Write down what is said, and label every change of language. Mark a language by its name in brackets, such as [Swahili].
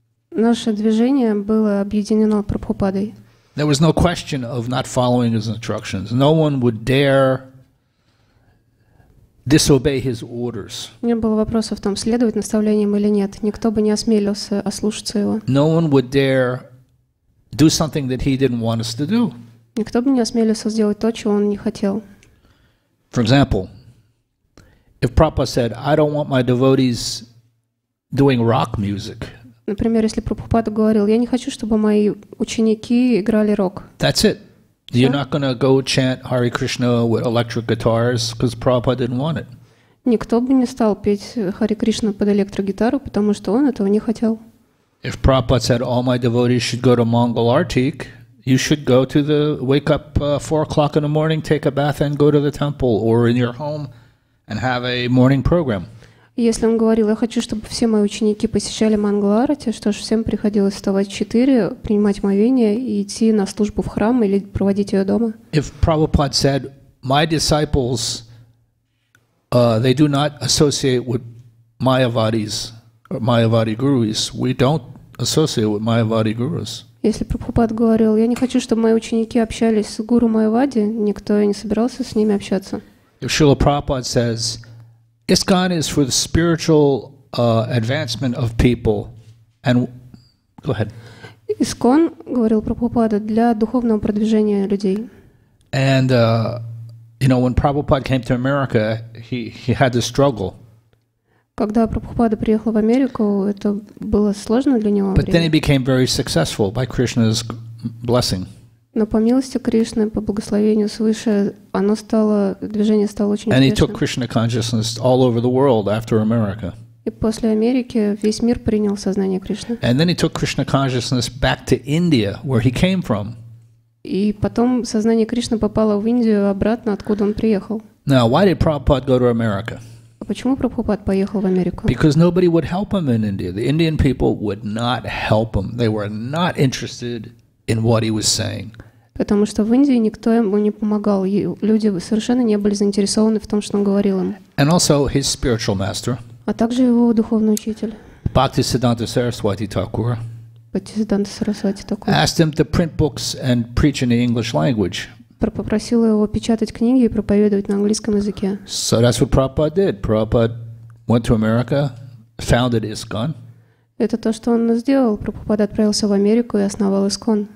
[Russian] Наше движение было объединено Прабхупадой. [English] There was no question of not following his instructions. No one would dare disobey his orders. [Russian] Не было вопроса в том, следовать наставлениям или нет. Никто бы не осмелился ослушаться его. [English] No one would dare do something that he didn't want us to do. [Russian] Никто бы не осмелился сделать то, чего он не хотел. [English] For example, if Prabhupada said, "I don't want my devotees doing rock music." [Russian] Например, если Прабхупада говорил, я не хочу, чтобы мои ученики играли рок. [English] That's it. You're not going to go chant Hare Krishna with electric guitars, because Prabhupada didn't want it. [Russian] Никто бы не стал петь Hare Krishna под электрогитару, потому что он этого не хотел. [English] If Prabhupada said all my devotees should go to Mangal Artik, you should go to the wake up 4 o'clock in the morning, take a bath and go to the temple or in your home and have a morning program. [Russian] Если он говорил, я хочу, чтобы все мои ученики посещали Мангаларати, что ж, всем приходилось вставать в 4, принимать омовение и идти на службу в храм или проводить ее дома. [English] If Prabhupada said, my disciples, they do not associate with Mayavadis, or Mayavadi gurus, we don't associate with Mayavadi gurus. [Russian] Если Прабхупад говорил, я не хочу, чтобы мои ученики общались с гуру Майавади, никто не собирался с ними общаться. [English] If Srila Prabhupada says, ISKCON is for the spiritual advancement of people. And go ahead. [Russian] ISKCON, говорил Прабхупада, для духовного продвижения людей. [English] And you know, when Prabhupada came to America, he had this struggle. [Russian] Когда Прабхупада приехал в Америку, это было сложно для него. [English] But then he became very successful by Krishna's blessing. [Russian] Но по милости Кришны, по благословению свыше, оно стало, движение стало очень успешным. [English] And he took Krishna consciousness all over the world after America. [Russian] И после Америки весь мир принял сознание Кришны. [English] And then he took Krishna consciousness back to India, where he came from. [Russian] И потом сознание Кришны попало в Индию обратно, откуда он приехал. [English] Now, why did Prabhupada go to America? [Russian] А почему Прабхупад поехал в Америку? [English] Because nobody would help him in India. The Indian people would not help him. They were not interested in what he was saying. [Russian] Потому что в Индии никто ему не помогал. Люди совершенно не были заинтересованы в том, что он говорил им. [English] And also his spiritual master. [Russian] А также его духовный учитель. [English] Bhaktisiddhanta Saraswati Thakur. Bhaktisiddhanta Saraswati Thakur. Asked him to print books and preach in the English language. [Russian] Попросил его печатать книги и проповедовать на английском языке. [English] So that's what Prabhupada did. Prabhupada went to America, founded ISKCON. [Russian] Это то, что он сделал. Прабхупада отправился в Америку и основал ISKCON.